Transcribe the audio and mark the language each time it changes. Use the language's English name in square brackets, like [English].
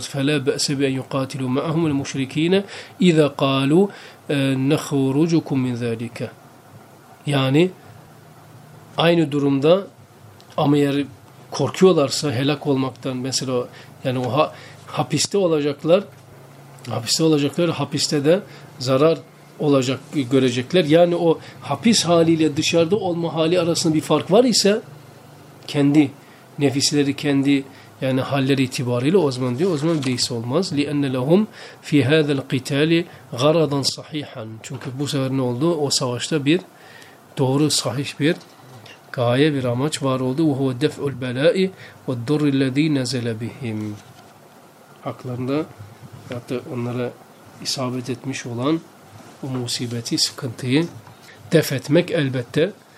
[Arabic] فَلَا بَأْسَ بِاَنْ يُقَاتِلُوا مَعَهُمُ الْمُشْرِك۪ينَ اِذَا قَالُوا نَخُرُجُكُمْ مِنْ ذَٰلِكَ [Turkish] yani aynı durumda ama eğer korkuyorlarsa helak olmaktan, mesela yani o hapiste olacaklar, hapiste olacaklar, hapiste de zarar olacak görecekler. Yani o hapis haliyle dışarıda olma hali arasında bir fark var ise kendi nefisleri, kendi yani halleri itibariyle o zaman diyor, o zaman değilse olmaz. [Arabic] لِأَنَّ لَهُمْ فِي هَذَا الْقِتَالِ غَرَضًا صَحِيحًا [Turkish] çünkü bu sefer ne oldu? O savaşta bir doğru, sahih bir gaye, bir amaç var oldu. [Arabic] وَهُوَ دَفْعُ الْبَلَاءِ وَالْضُرِّ الَّذ۪ي نَزَلَ بِهِمْ [Turkish] haklarında hatta onlara isabet etmiş olan o musibeti, sıkıntıyı def etmek elbette.